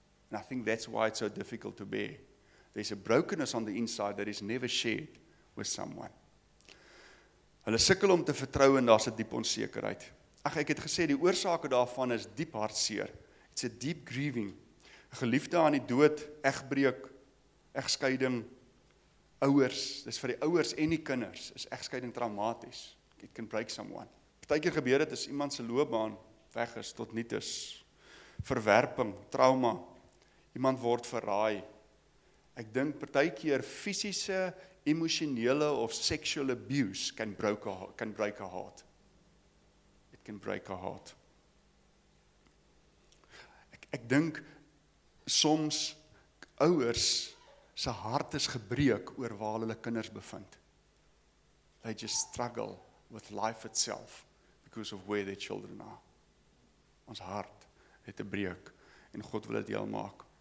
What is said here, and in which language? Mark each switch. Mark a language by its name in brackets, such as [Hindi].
[English] And I think that's why it's so difficult to bear. There's a brokenness on the inside that is never shared with someone. [Afrikaans] Hulle sukkel om te vertrou en daar's 'n diep onsekerheid. Ek het gesê die oorsake daarvan is diep hartseer. [English] It's a deep grieving. [Afrikaans] Geliefde aan die dood, egbreuk, egskeiding, ouers, dis vir die ouers en die kinders, is egskeiding traumaties. [English] It can break someone. [Afrikaans] Partykeer gebeur dit as iemand se loopbaan weg is tot niet is. Verwerping, trauma. Iemand word verraai. Ek dink partykeer fisiese, emosionele of [English] sexual abuse can break a heart. It can break a heart. [Afrikaans] Ek dink soms ouers se hart is gebreek oor waar hulle kinders bevind. [English] They just struggle with life itself because of where their children are. [Afrikaans] Ons hart het 'n breuk en God wil dit heel maak.